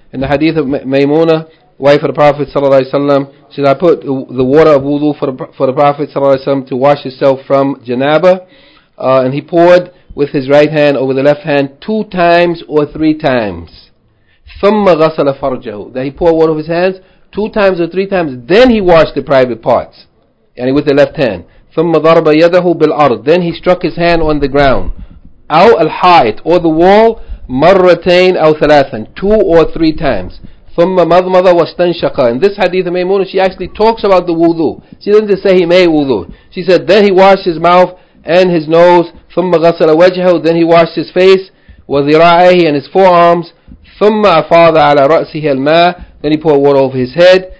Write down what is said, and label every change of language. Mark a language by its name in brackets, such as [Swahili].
[English] And the hadith of Maymuna, wife of the Prophet sallallahu alaihi wasallam, said, "I put the water of wudu for the Prophet sallallahu alaihi wasallam to wash himself from janaba, and he poured with his right hand over the left hand 2 times or 3 times. [Arabic] ثم غسل فرجه, [English] that he poured water over his hands 2 times or 3 times, then he washed the private parts, and with the left hand. [Arabic] ثم ضرب يده بالأرض, [English] then he struck his hand on the ground. [Arabic] أو الحائط, [English] or the wall. [Arabic] مرتين أو ثلاثا, [English] 2 or 3 times. [Arabic] ثم مضمض واستنشق. [English] In this hadith of Maymuna, she actually talks about the wudu. She doesn't just say he made wudu. She said then he washed his mouth and his nose. [Arabic] ثُمَّ غَسَلَ وَجْهَهُ, [English] then he washed his face. وَذِرَاعَيْهِ, and his forearms. [Arabic] ثُمَّ أَفَاضَ عَلَى رَأْسِهِ الْمَاءِ, [English] then he poured water over his head.